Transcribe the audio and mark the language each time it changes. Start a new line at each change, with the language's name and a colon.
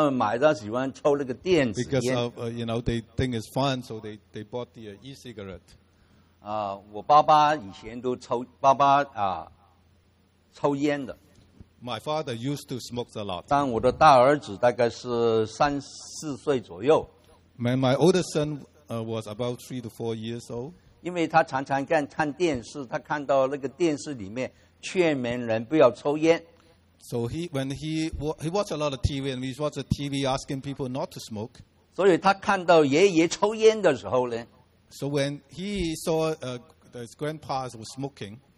Chinese: 他们对于好好玩，说明他们买，他喜欢抽那个电子烟。
English: Because of you know they think it's fun, so they bought the e-cigarette.
Chinese: 我爸爸以前都抽烟的。
English: My father used to smoke a lot.
Chinese: 但我的大儿子大概是三四岁左右。
English: My older son was about 3 to 4 years old.
Chinese: 因为他常常看电视，他看到那个电视里面劝勉人不要抽烟。
English: So he watched a lot of TV, and he watched the TV asking people not to smoke.
Chinese: 所以他看到爷爷抽烟的时候呢,
English: so when he saw his grandpa was smoking,